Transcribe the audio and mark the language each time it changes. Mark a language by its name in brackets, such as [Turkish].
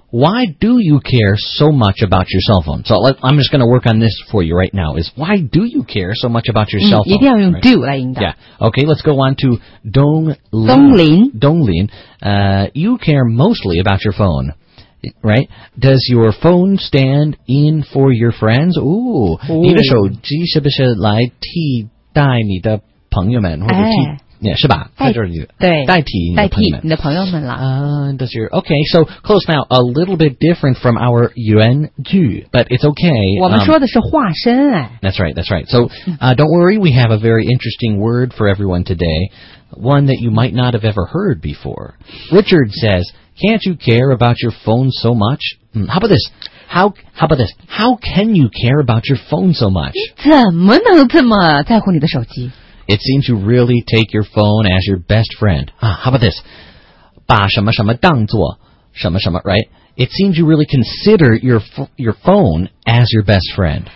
[English] Why do you care so much about your cell phone? So I'm just going to work on this for you right now. Is why do you care so much about your cell phone? [Chinese] 一定要用 do 来引导。 [English] Yeah. Okay. Let's go on to Dong Lin. Dong Lin. Dong Lin. You care mostly about your phone, right? Does your phone stand in for your friends? [Chinese] Ooh. 你的手机是不是来替代你的朋友们或者替？ Yeah, 是吧在这里对代替你的朋友们了、 [English] does your, okay, so close now, a little bit different from our [Chinese] 原句 [English] but it's okay. [Chinese] 我们说的是化身、哎、 [English] That's right. So, don't worry, we have a very interesting word for everyone today, one that you might not have ever heard before. Richard says, can't you care about your phone so much? How about this? How can you care about your phone so much? [Chinese] 你怎么能这么在乎你的手机 [English] It seems you really take your phone as your best friend. How about this? [Chinese] 把什么什么当作什么什么 [English] right? It seems you really consider your phone as your best friend.